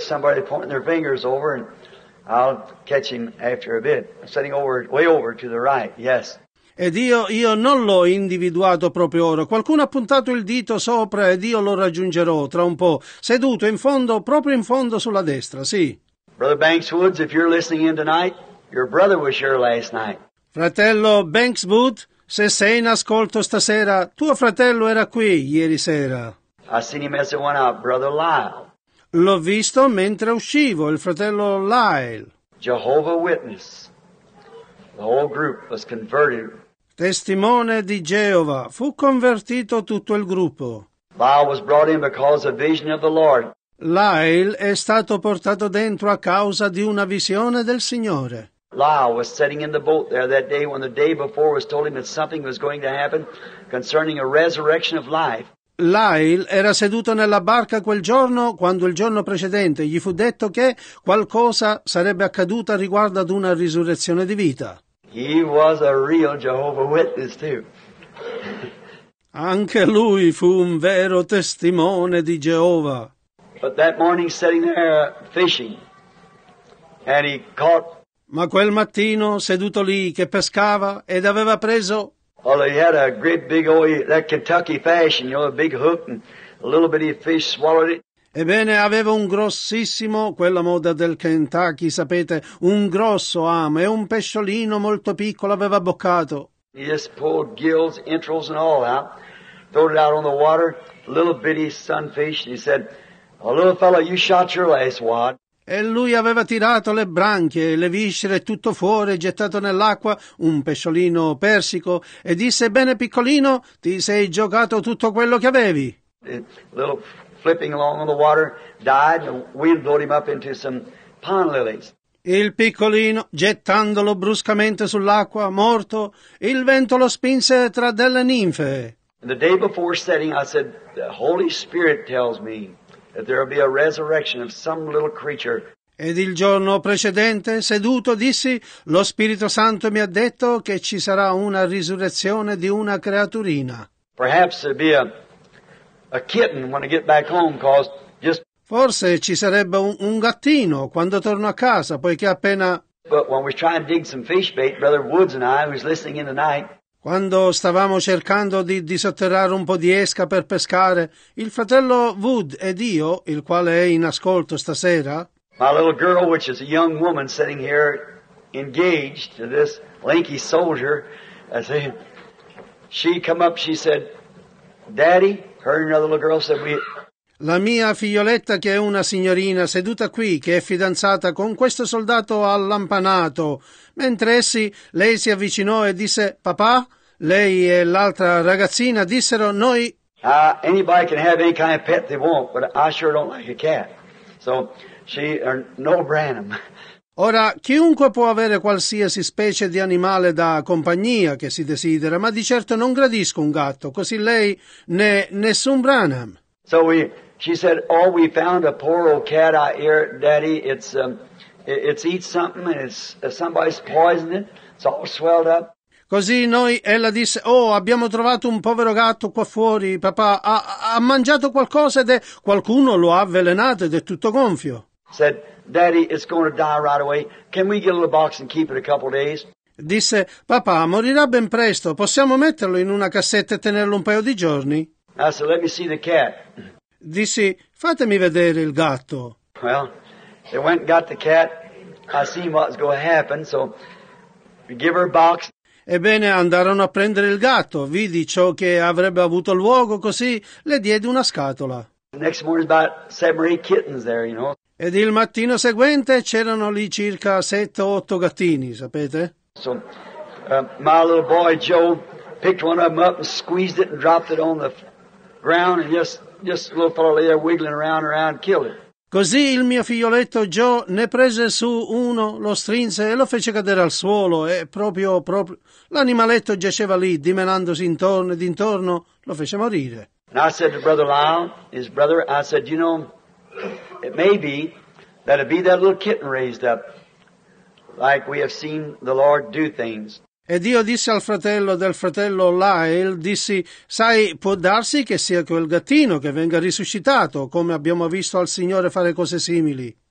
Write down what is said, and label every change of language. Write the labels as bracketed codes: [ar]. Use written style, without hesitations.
[en] Somebody pointing their fingers over, and I'll catch him after a bit. Sitting over, way over to the right. Yes. [it] Ed io non l'ho individuato proprio ora. Qualcuno ha puntato il dito sopra ed io lo raggiungerò tra un po'. Seduto in fondo, proprio in fondo sulla destra, sì. [en] Brother Banks Woods, if you're listening in tonight, your brother was here last night. [it] Fratello Banks Woods, se sei in ascolto stasera, tuo fratello era qui ieri sera. [en] I seen him as it went out, Brother Lyle. [it] L'ho visto mentre uscivo, il fratello Lyle. [en] Jehovah Witness. The whole group was converted. [it] Testimone di Geova, fu convertito tutto il gruppo. [en] Lyle was brought in because of vision of the Lord. [it] Lyle è stato portato dentro a causa di una visione del Signore. [en] Lyle was sitting in the boat there that day when the day before was told him that something was going to happen concerning a resurrection of life. [it] Lyle era seduto nella barca quel giorno quando il giorno precedente gli fu detto che qualcosa sarebbe accaduta riguardo ad una risurrezione di vita. [en] He was a real Jehovah Witness too. [it] Anche lui fu un vero testimone di Geova. [en] But that morning sitting there fishing and he caught. [it] Ma quel mattino seduto lì che pescava ed aveva preso. [en] Well, he had a great big old, that Kentucky fashion, you know, a big hook and a little bitty fish swallowed it. [it] Ebbene, aveva un grossissimo, quella moda del Kentucky, sapete, un grosso amo e un pesciolino molto piccolo aveva boccato. [en] He just pulled gills, entrails and all out, throwed it out on the water, little bitty sunfish, and he said, "A little fellow, you shot your last wad." [it] E lui aveva tirato le branchie, le viscere tutto fuori, gettato nell'acqua un pesciolino persico e disse: "Bene piccolino, ti sei giocato tutto quello che avevi." [en] The little flipping along on the water died and we blowed him up into some pond lilies. [it] Il piccolino, gettandolo bruscamente sull'acqua, morto, il vento lo spinse tra delle ninfe. [en] And the day before setting I said, "The Holy Spirit tells me that there will be a resurrection of some little creature." [it] Ed il giorno precedente, seduto, dissi, lo Spirito Santo mi ha detto che ci sarà una risurrezione di una creaturina. [en] Perhaps there'll be a kitten when I get back home, cause just. [it] Forse ci sarebbe un gattino quando torno a casa, poiché appena. [en] But when we try and dig some fish bait, Brother Woods and I, who's listening in tonight. [it] Quando stavamo cercando di sotterrare un po' di esca per pescare, il fratello Wood ed io, il quale è in ascolto stasera, [en] my little girl, which is a young woman sitting here engaged to this lanky soldier, I say, she come up, she said, "Daddy," her and another little girl said, "we." [it] La mia figlioletta, che è una signorina seduta qui, che è fidanzata con questo soldato allampanato, mentre essi, lei si avvicinò e disse, "Papà," lei e l'altra ragazzina dissero, "noi." [en] Anybody can have any kind of pet they want, but I sure don't like a cat. So, she, or no Branham. [it] Ora, chiunque può avere qualsiasi specie di animale da compagnia che si desidera, ma di certo non gradisco un gatto, così lei né nessun Branham. [en] So we, she said, "Oh, we found a poor old cat out here, Daddy. It's eat something, and somebody's poisoned it. It's all swelled up." [it] Così noi, ella disse, "Oh, abbiamo trovato un povero gatto qua fuori, papà. Ha mangiato qualcosa ed è qualcuno lo ha avvelenato ed è tutto gonfio." [en] Said, "Daddy, it's going to die right away. Can we get a little box and keep it a couple of days?" [it] Disse, "Papà, morirà ben presto. Possiamo metterlo in una cassetta e tenerlo un paio di giorni?" [en] I said, "Let me see the cat." [it] Dissi, "Fatemi vedere il gatto." [en] Well, they went and got the cat. I seen what was going to happen, so we give her a box. [it] Ebbene, andarono a prendere il gatto. Vidi ciò che avrebbe avuto luogo, così le diede una scatola. [en] The next morning, about 7 or 8 kittens there, you know. [it] Ed il mattino seguente c'erano lì circa 7 o 8 gattini, sapete? [en] So, My little boy Joe picked one of them up and squeezed it and dropped it on the ground, and just a little fellow lay there wiggling around and around and killed it. [it] Così il mio figlioletto Joe ne prese su uno, lo strinse e lo fece cadere al suolo, e proprio l'animaletto giaceva lì, dimenandosi intorno e dintorno, lo fece morire. [en] And I said to Brother Lyle, his brother, I said, you know, it may be that it be that little kitten raised up, like we have seen the Lord do things. [it] Ed io dissi al fratello del fratello Lyle, dissi, sai, può darsi che sia quel gattino che venga risuscitato, come abbiamo visto al Signore fare cose simili.